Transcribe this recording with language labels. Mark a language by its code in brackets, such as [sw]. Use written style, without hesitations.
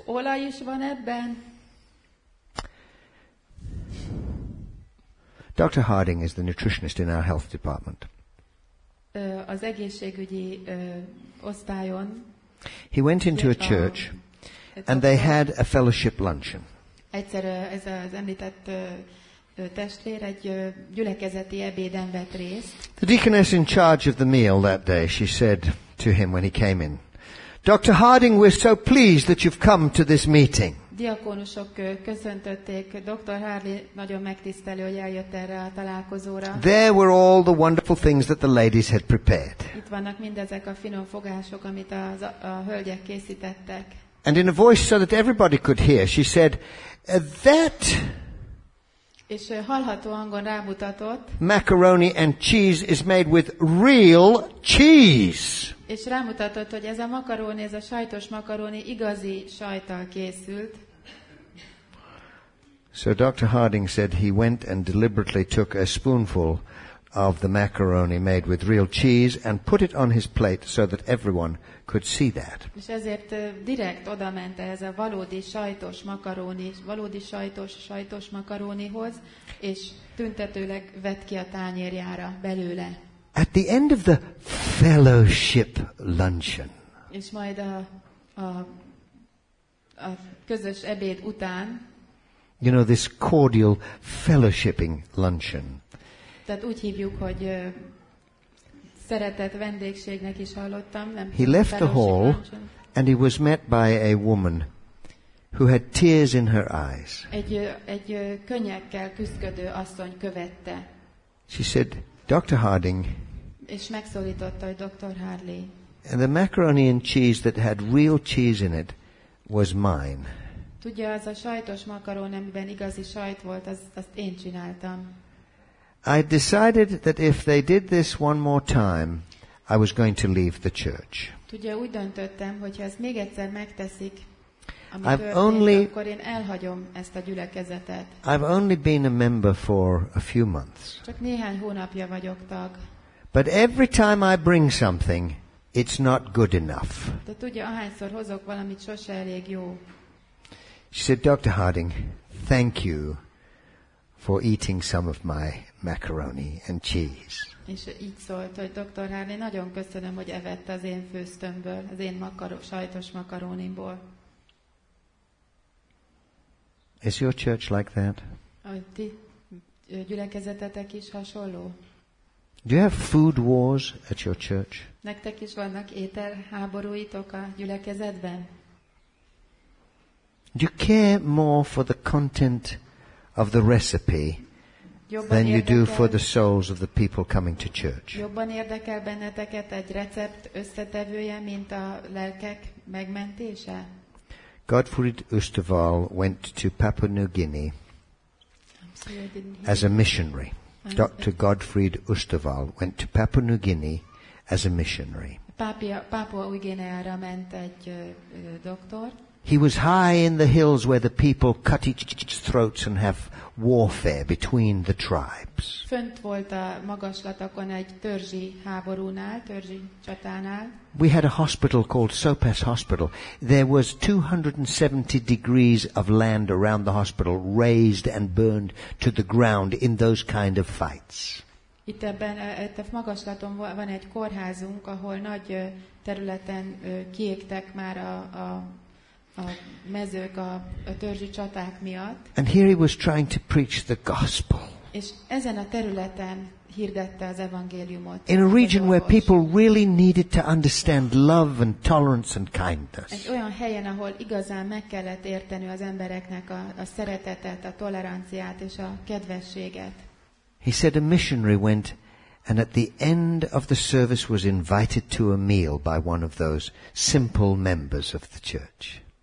[hu] Olaj is van ebben. [en] Dr. Harding is the nutritionist in our health department. [hu] Az egészségügyi osztályon. [en] He went into a church and they had a fellowship luncheon. [hu] Egyszer ez az említett testvér egy gyülekezeti ebéden vett részt. [en] The deaconess in charge of the meal that day, she said to him when he came in, Dr. Harding, we're so pleased that you've come to this meeting. [hu] Diakonusok köszöntötték Dr. Harley, nagyon megtisztelő, hogy eljött erre a találkozóra. [en] There were all the wonderful things that the ladies had prepared. [hu] Itt vannak mindezek a finom fogások, amit a hölgyek készítettek. [en] And in a voice so that everybody could hear, she said, that [hu] és hallható hangon rámutatott, [en] macaroni and cheese is made with real cheese. [hu] És rámutatott, hogy ez a makaróni, ez a sajtos makaróni igazi sajttal készült. [en] So Dr. Harding said he went and deliberately took a spoonful of the macaroni made with real cheese and put it on his plate so that everyone could see that. [hu] És ezért direkt odament ez a valódi sajtos makaróni, valódi sajtos makarónihoz, és tüntetőleg vett ki a tányérjára belőle. [en] At the end of the fellowship luncheon. [hu] És majd a közös ebéd után. [en] You know, this cordial fellowshipping luncheon. [hu] Tehát úgy hívjuk, hogy szeretett vendégségnek is hallottam. Nem, [en] he left the hall and he was met by a woman who had tears in her eyes. [hu] Egy könnyekkel küszködő asszony követte. [en] She said, Dr. Harding. [hu] És megszólította, hogy Dr. Harley. [en] And the macaroni and cheese that had real cheese in it was mine. [hu] Tudja, az a sajtos makaron, amiben igazi sajt volt, azt én csináltam. [en] I decided that if they did this one more time, I was going to leave the church. [hu] Tudja, úgy döntöttem, hogy ha ezt még egyszer megteszik, ami történik, akkor én elhagyom ezt a gyülekezetet. [en] I've only been a member for a few months. [hu] Csak néhány hónapja vagyok tag. [en] But every time I bring something, it's not good enough. [hu] De tudja, ahányszor hozok valamit, sose elég jó. [en] She said, Dr. Harding, thank you for eating some of my macaroni and cheese. [hu] És így szólt, hogy Dr. Harding, nagyon köszönöm, hogy evett az én főztömből, az én sajtos makaronimból. [en] Is your church like that? [hu] A ti gyülekezetetek is hasonló? [en] Do you have food wars at your church? [hu] Nektek is vannak ételháborúitok a gyülekezetben? [en] Do you care more for the content of the recipe than you do for the souls of the people coming to church? [hu] Jobban érdekel benneteket egy recept összetevője, mint a lelkek megmentése? [en] Gottfried Oesterwahl went to Papua New Guinea as a missionary. Dr. Gottfried Oesterwahl went to Papua New Guinea as a missionary. [hu] Papua New Guinea-ra ment egy doktor. [en] He was high in the hills where the people cut each other's throats and have warfare between the tribes. [hu] Fönt volt a magaslatokon egy törzsi háborúnál, törzsi csatánál. [en] We had a hospital called Sopas Hospital. There was 270 degrees of land around the hospital razed and burned to the ground in those kind of fights. [hu] Itt ebben a magaslaton van egy kórházunk, ahol nagy területen kiégtek már a mezők a törzsi csaták miatt. [en] And here he was trying to preach the gospel. [hu] És ezen a területen hirdette az evangéliumot. [en] In a region where people really needed to understand love and tolerance and kindness. [hu] Egy olyan helyen, ahol igazán meg kellett érteni az embereknek a szeretetet, a toleranciát és a kedvességet. [en] He said a missionary went and at the end of the service was invited to a meal by one of those simple members of the church.